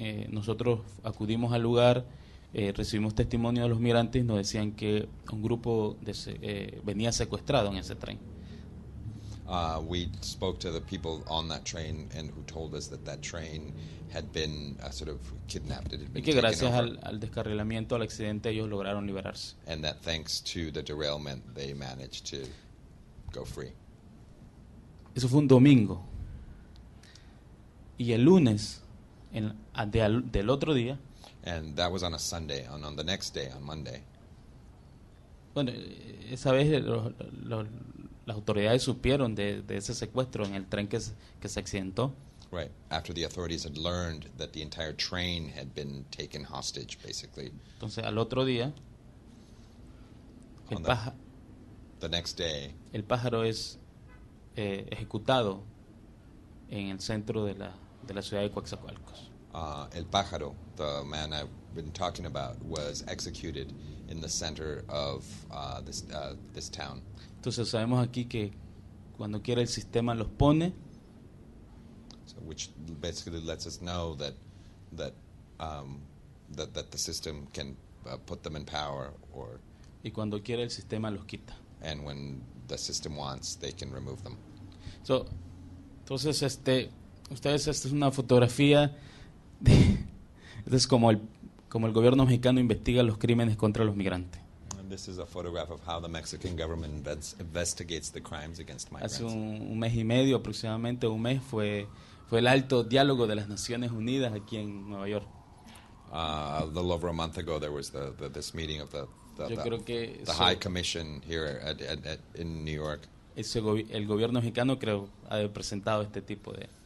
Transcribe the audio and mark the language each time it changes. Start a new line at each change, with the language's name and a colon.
Spanish: Nosotros acudimos al lugar, recibimos testimonio de los migrantes, nos decían que un grupo venía secuestrado en ese tren.
English: We spoke to the people on that train and who told us that train had been sort of kidnapped. It had been
Spanish: y que gracias al descarrilamiento, al accidente, ellos lograron liberarse.
English: And that thanks to the derailment, they managed to go free.
Spanish: Eso fue un domingo. Y el lunes, del otro día.
English: And that was on a Sunday, and on the next day, on Monday.
Spanish: Bueno, esa vez las autoridades supieron de ese secuestro en el tren que se accidentó.
English: Right, after the authorities had learned that the entire train had been taken hostage, basically.
Spanish: Entonces, al otro día,
English: the next day,
Spanish: el pájaro es ejecutado en el centro de la ciudad de Coatzacoalcos.
English: El pájaro, the man I've been talking about, was executed in the center of this town.
Spanish: Entonces sabemos aquí que cuando quiere el sistema los pone.
English: So which basically lets us know that the system can put them in power or.
Spanish: Y cuando quiere el sistema los quita.
English: And when the system wants, they can remove them.
Spanish: So, entonces esta es una fotografía. Este es como el gobierno mexicano investiga los crímenes contra los migrantes.
English: And this is a photograph of how the Mexican government investigates the crimes against migrants.
Spanish: Hace un mes y medio, aproximadamente un mes, fue el alto diálogo de las Naciones Unidas aquí en Nueva York.
English: A little over a month ago, there was this meeting of High Commission here in New York.
Spanish: El gobierno mexicano creo ha presentado este tipo de.